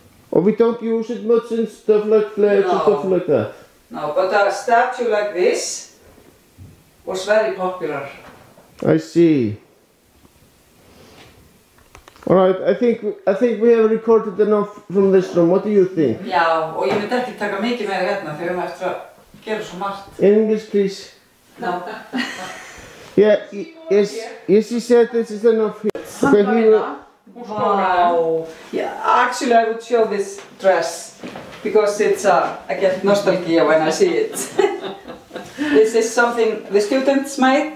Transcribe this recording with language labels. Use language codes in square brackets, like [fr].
[en] Or we don't use it much in stuff like flats and stuff like that. No, but a statue like this was very popular. I see. All right, I think we have recorded enough from this room. What do you think? [is] Já, og ég myndi ekki taka mikið meira hérna þegar við eftir að gera svo margt. [en] In English, please. No. Yeah, yes, she said this is enough here. Okay, actually, I would show this dress because it's I get nostalgia when I see it. This is something the students made.